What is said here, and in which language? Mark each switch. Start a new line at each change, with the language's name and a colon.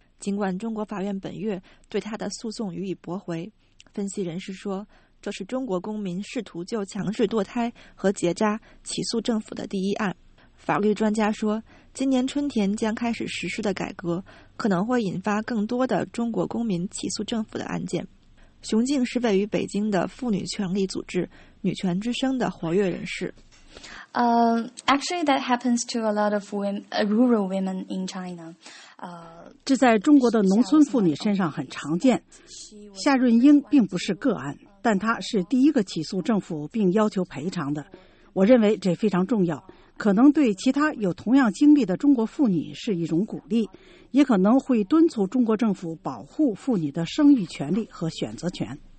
Chinese: 尽管中国法院本月对她的诉讼予以驳回，分析人士说，这是中国公民试图就强制堕胎和结扎起诉政府的第一案。法律专家说，今年春天将开始实施的改革可能会引发更多的中国公民起诉政府的案件。熊静是位于北京的妇女权利组织女权之声的活跃人士。
English: Actually that happens to a lot of rural women in China.
Chinese: 这在中国的农村妇女身上很常见。夏润英并不是个案，但她是第一个起诉政府并要求赔偿的。我认为这非常重要，可能对其他有同样经历的中国妇女是一种鼓励，也可能会敦促中国政府保护妇女的生育权利和选择权。